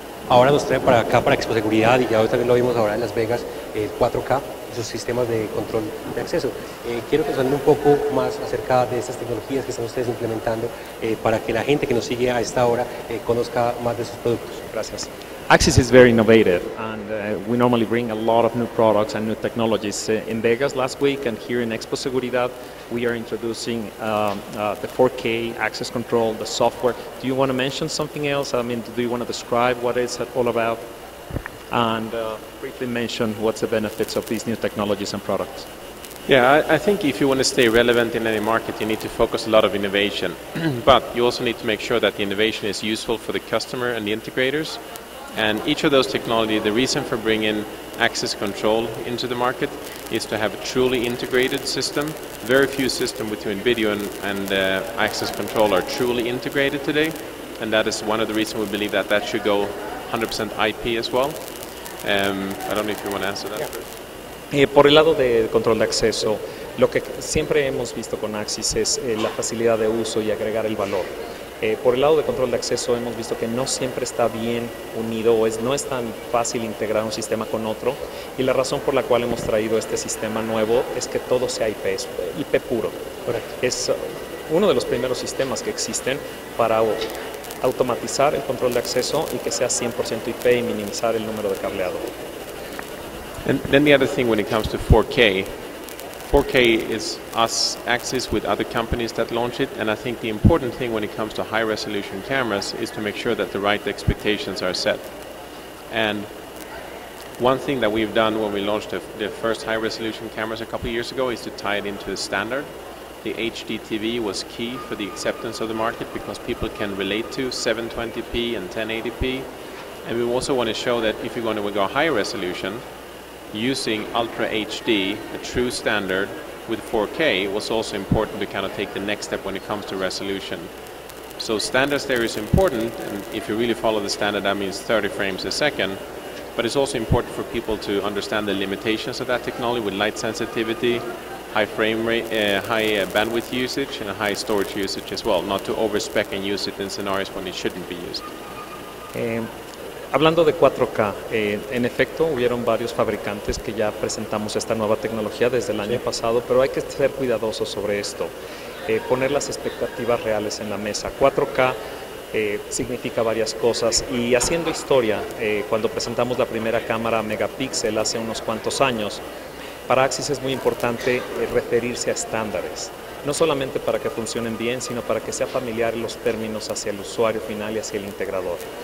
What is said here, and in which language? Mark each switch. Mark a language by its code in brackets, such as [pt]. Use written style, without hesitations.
[es] Ahora nos trae para acá, para Expo Seguridad, y ya también lo vimos ahora en Las Vegas, 4K, sus sistemas de control de acceso. Quiero que nos hablen un poco más acerca de estas tecnologías que están ustedes implementando para que la gente que nos sigue a esta hora conozca más de sus productos. Gracias. [en] Axis is very innovative, and we normally bring a lot of new products and new technologies. In Vegas last week and here in Expo Seguridad, we are introducing the 4K access control, the software. Do you want to mention something else? I mean, do you want to describe what it's all about? And briefly mention what's the benefits of these new technologies and products. Yeah, I think if you want to stay relevant in any market, you need to focus a lot of innovation. But you also need to make sure that the innovation is useful for the customer and the integrators. And each of those technologies, the reason for bringing access control into the market is to have a truly integrated system. Very few systems between video and access control are truly integrated today. And that is one of the reasons we believe that that should go 100% IP as well. I don't know if you want to answer that. Yeah. [es] Por el lado de control de acceso, lo que siempre hemos visto con Axis es la facilidad de uso y agregar el valor. Por el lado de control de acceso hemos visto que no siempre está bien unido o no es tan fácil integrar un sistema con otro, y la razón por la cual hemos traído este sistema nuevo es que todo sea IP, es IP puro. Correcto. Es uno de los primeros sistemas que existen para automatizar el control de acceso y que sea 100% IP y minimizar el número de cableado. [en] And then the other thing when it comes to 4K, 4K is us, Axis, with other companies that launch it, and I think the important thing when it comes to high-resolution cameras is to make sure that the right expectations are set. And one thing that we've done when we launched the first high-resolution cameras a couple of years ago is to tie it into the standard. The HDTV was key for the acceptance of the market because people can relate to 720p and 1080p, and we also want to show that if you're going to go high resolution, using Ultra HD, a true standard with 4K, was also important to kind of take the next step when it comes to resolution. So standards there is important, and if you really follow the standard, that means 30 frames a second, but it's also important for people to understand the limitations of that technology with light sensitivity, high frame rate, high bandwidth usage, and high storage usage as well, not to overspec and use it in scenarios when it shouldn't be used. [es] Hablando de 4K, en efecto, hubieron varios fabricantes que ya presentamos esta nueva tecnología desde el año pasado, pero hay que ser cuidadosos sobre esto, poner las expectativas reales en la mesa. 4K significa varias cosas, y haciendo historia, cuando presentamos la primera cámara megapíxel hace unos cuantos años, para Axis es muy importante referirse a estándares, no solamente para que funcionen bien, sino para que sea familiar los términos hacia el usuario final y hacia el integrador.